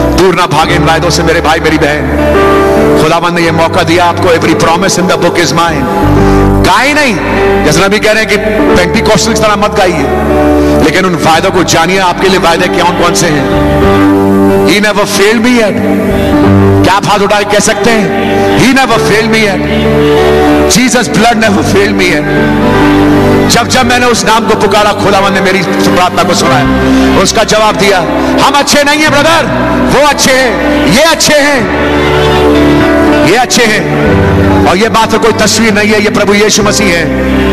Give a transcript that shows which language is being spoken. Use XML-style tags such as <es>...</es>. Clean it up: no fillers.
<hi>दूर ना भागे इन वायदों से मेरे भाई मेरी बहन, खुदावंद ने ये मौका दिया आपको,</hi> <en>every promise in the book is mine,</en> <hi>गाए नहीं जैसे नबी कह रहे हैं कि पेंटिकॉस्टल की तरह मत गाइए, लेकिन उन वायदों को जानिए आपके लिए वायदे कौन कौन से हैं।</hi> <en>He never failed me yet.</en> <hi>क्या आप हाथ उठा के कह सकते हैं</hi> <en>He never failed me yet. Jesus blood never failed me yet.</en> <hi>जब जब मैंने उस नाम को पुकारा खुदावंद ने मेरी प्रार्थना को सुना है, उसका जवाब दिया। हम अच्छे नहीं है ब्रदर, वो अच्छे हैं, ये अच्छे हैं, ये अच्छे हैं, और ये बात कोई तस्वीर नहीं है, ये प्रभु यीशु मसीह है।</hi>